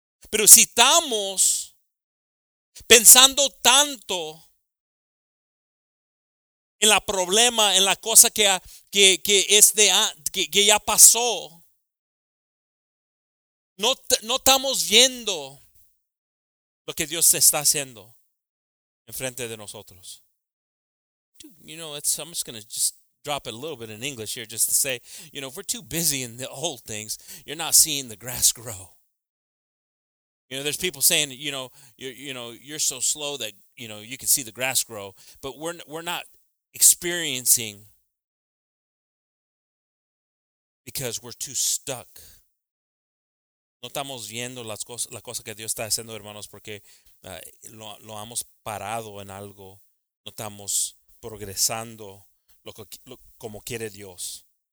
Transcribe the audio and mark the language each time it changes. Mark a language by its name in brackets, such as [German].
[Spanish] Pero si estamos pensando tanto en la problema, en la cosa que ya pasó, no estamos viendo lo que Dios está haciendo enfrente de nosotros. [English] Dude, you know, I'm just going to just drop it a little bit in English here just to say, you know, if we're too busy in the old things, you're not seeing the grass grow. You know, there's people saying, you know, you're so slow that, you know, you can see the grass grow. But we're not experiencing because we're too stuck. [Spanish] No estamos viendo las cosas que Dios está haciendo, hermanos, porque lo hemos parado en algo. No estamos progresando como quiere Dios.